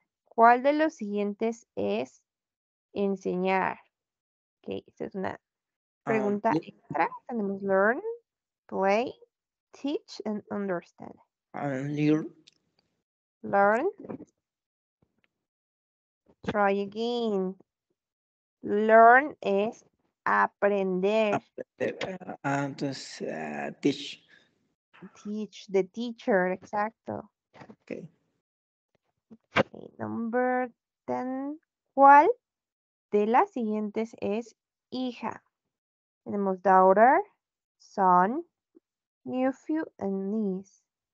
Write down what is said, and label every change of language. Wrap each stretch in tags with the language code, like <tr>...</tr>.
<es>¿Cuál de los siguientes es enseñar? Ok, esta es una pregunta extra. Tenemos learn, play, teach, and understand.</es> <en>Learn. Try again.</en> <es>Learn es aprender. Entonces, teach.</es> <en>Teach, the teacher, exacto. Okay. Okay, number 10.</en> <es>¿Cuál de las siguientes es hija? Tenemos daughter, son, nephew, and niece.</es>